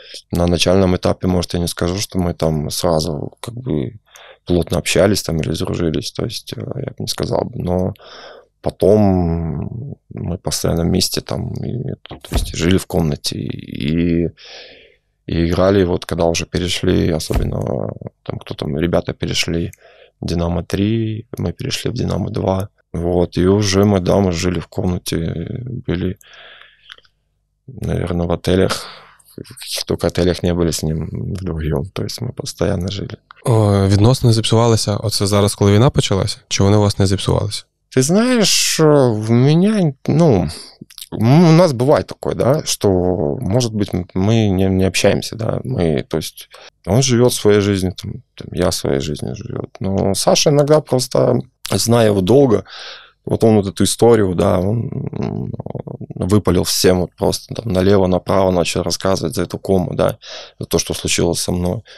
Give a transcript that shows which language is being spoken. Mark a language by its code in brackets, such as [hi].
[ru] На начальном этапе, может, я не скажу, что мы там сразу как бы плотно общались там или сдружились, то есть я бы не сказал, но потом мы постоянно вместе там, и, то есть жили в комнате и играли, вот когда уже перешли, особенно там кто там, ребята перешли в «Динамо-3», мы перешли в «Динамо-2». Вот, и уже мы, да, мы жили в комнате, были, наверное, в отелях, в каких-то отелях не были с ним вдвоем, то есть мы постоянно жили. [uk] Відносини зіпсувалися, оце зараз, коли війна почалася, чи вони у вас не зіпсувалися? [ru] Ты знаешь, у меня, ну, у нас бывает такое, да, что, может быть, мы не общаемся, да, мы, то есть, он живет своей жизнью, там, я своей жизнью живет, но Саша иногда просто... Знаю его долго, вот он вот эту историю, да, он выпалил всем вот просто там налево-направо начал рассказывать за эту кому, да, за то, что случилось со мной.